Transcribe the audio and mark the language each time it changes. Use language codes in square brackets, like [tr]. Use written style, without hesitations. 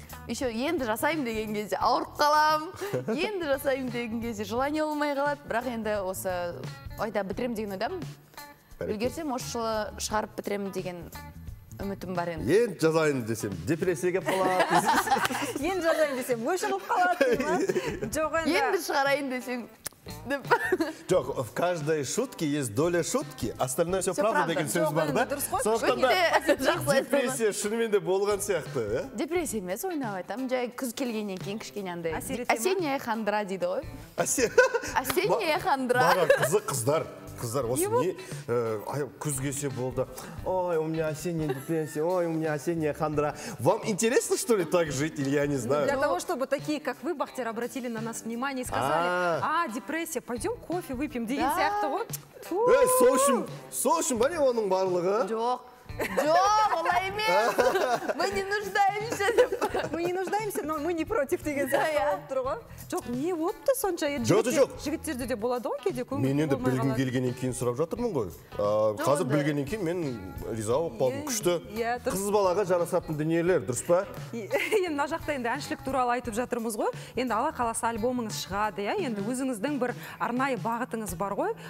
[kk] Еще енді жасайым деген кезде ауырып қалам, енді жасайым деген кезде желание олмай қалады, бірақ енді осы ойда бітірем деген ойдам. Үлгерсем, осы жылы шығарып бітірем деген үмітім бар енді. Енді жазайын десем, депрессияға қалады. Енді жазайын десем, өшіріп қалады. Енді шығарайын десем. [ru] Жоқ, в каждой шутке есть доля шутки, остальное все правда [kk] деген сөз бар, [ru] да? [kk] Сондықтан да, депрессия шынымен де болған сияқты. Депрессия емес, ойнап айтам, жай күз келгеннен кейін кішкенеңдей. [ru] Осенняя хандра [kk] дейді ғой. [ru] Осенняя хандра. [kk] Бара, қыздар. Қыздар, осы не күзгесе болды, [ru] ой, у меня осенняя депрессия, ой, у меня осенняя хандра. Вам интересно, что ли, так жить, или я не знаю? Для того, чтобы такие, как вы, Бахтер, обратили на нас внимание и сказали, а, депрессия, пойдем кофе выпьем, [kk] деген сияқты, [ru] вот. [kk] Эй, сошим, бәне оның барлығы? Жоқ, олай емес, [ru] мы не нуждаемся, [kk] деп. [ru] Мы не нуждаемся, но мы не против, [kk] деген сияқты. Жоқ, не өпті сонша, жігіттерді де болады оң кейде көңілді болмай қалады. Мен білген келгенен кейін сұрап жатырмын ғой. Қазір білгенен кейін мен риза оқып алдым, күшті. Қыз балаға жарасатын дүниелер, дұрыс па? Енді нашақта енді әншілік туралы айтып жатырмыз ғой. Енді ала қаласы альбомыңыз шығады, енді өзіңіздің бір арнайы бағытыңыз бар ғой.